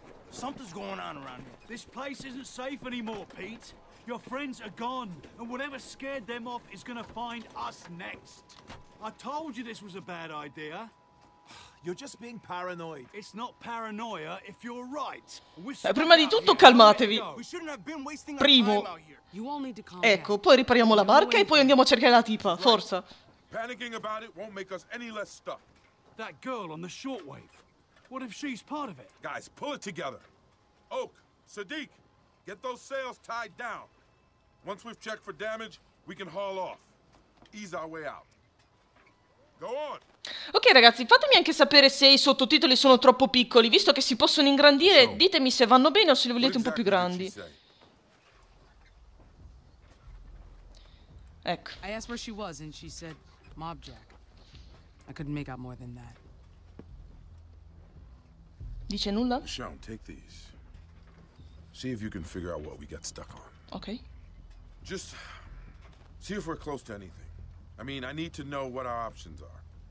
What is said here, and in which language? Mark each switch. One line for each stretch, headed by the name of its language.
English: Something's going on around here. This place isn't safe anymore, Pete. Your friends are gone, and whatever scared them off is gonna find us next. I told you this was a bad idea. You're just being paranoid. It's not paranoia if you're right.
Italian: Prima di tutto calmatevi. Primo. Ecco, poi ripariamo la barca e poi andiamo a cercare la tipa, forza.
English: Panicking about it won't make us any less stuck. That girl on the shortwave. What if she's part of it? Guys, pull it together. Oak, Sadiq, get those sails tied down. Once we've checked for damage, we can haul off. Ease our way out.
Italian: Ok ragazzi, fatemi anche sapere se i sottotitoli sono troppo piccoli. Visto che si possono ingrandire, ditemi se vanno bene o se li volete un po' più grandi. Ecco.
English: I asked where she was and she said Mob Jack. I couldn't make out more than that.
Italian: Dice nulla?
English: Michonne, take these. See if you can figure out what we got stuck on. Ok. Just see if we're close to anything. I mean, I need to know what our options are.